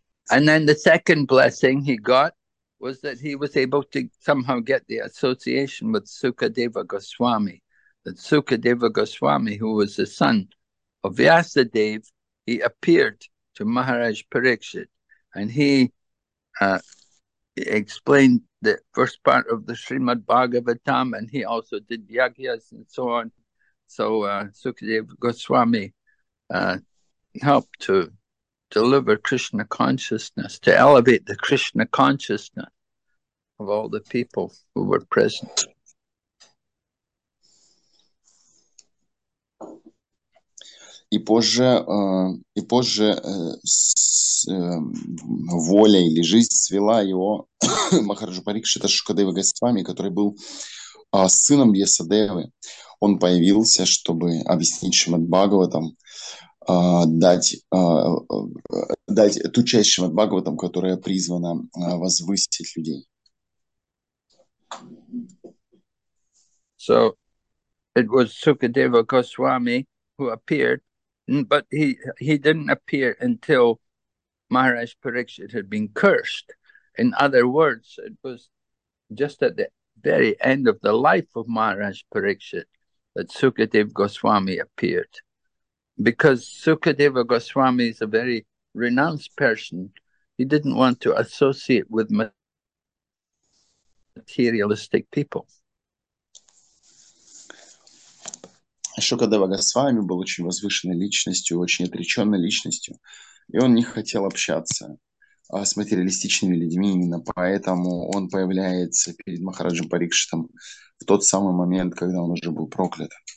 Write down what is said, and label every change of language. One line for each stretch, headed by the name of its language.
English: And then the second blessing he got was that he was able to somehow get the association with Sukadeva Goswami. That Sukadeva Goswami, who was the son of Vyasadeva, he appeared to Maharaj Parikshit, and he explained the first part of the Srimad Bhagavatam, and he also did yagyas and so on. So Sukadeva Goswami helped to deliver Krishna consciousness, to elevate the Krishna consciousness of all the people who were present.
Russian: И позже, воля или жизнь свела его Махараджа Парикшита с Шукадева Госвами, который был сыном Вьясадевы. Он появился, чтобы объяснить Шримад Бхагаватам дать ту часть Шримад-Бхагаватам, которая призвана возвысить людей.
English: So it was Sukadeva Goswami who appeared, but he didn't appear until Maharaj Parikshit had been cursed. In other words, it was just at the very end of the life of Maharaj Parikshit that Sukadeva Goswami appeared. Because Sukadeva Goswami is a very renounced person, he didn't want to associate with materialistic people.
Russian: Шукадева Госвами был очень возвышенной личностью, очень отреченной личностью, и он не хотел общаться с материалистичными людьми. Именно поэтому он появляется перед Махараджем Парикшитом в тот самый момент, когда он уже был проклят.